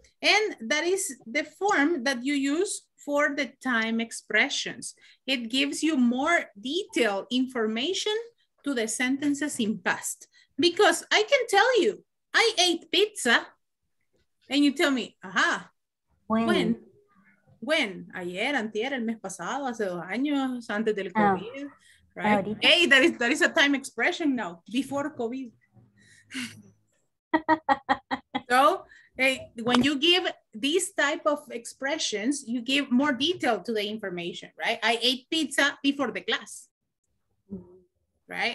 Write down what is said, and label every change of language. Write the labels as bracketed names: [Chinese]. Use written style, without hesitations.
[English] And that is the form that you use for the time expressions. It gives you more detailed information to the sentences in past. Because I can tell you, I ate pizza. And you tell me, aha, when? When? [Spanish] Ayer, antier, el mes pasado, hace 2 años, antes del COVID. [English] Oh. Right? Oh, hey, that is a time expression now, before COVID. So, hey, when you give these type of expressions, you give more detail to the information, right? I ate pizza before the class, right?